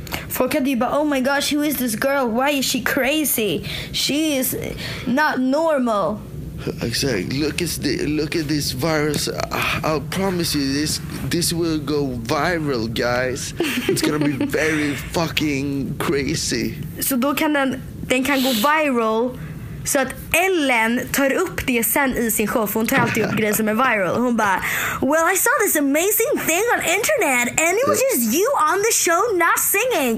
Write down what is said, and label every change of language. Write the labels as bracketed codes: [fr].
[sv] Folk hade ju bara, [en] oh my gosh, who is this girl? Why is she crazy? She is not normal. Exakt, look at this virus. I'll promise you this will go viral, guys. It's gonna be very fucking crazy. [sv] Så då kan den kan gå viral. Så att Ellen tar upp det sen i sin show. Hon tar alltid upp grejer som är viral. Hon bara, [en] well, I saw this amazing thing on internet and it was just you on the show not singing.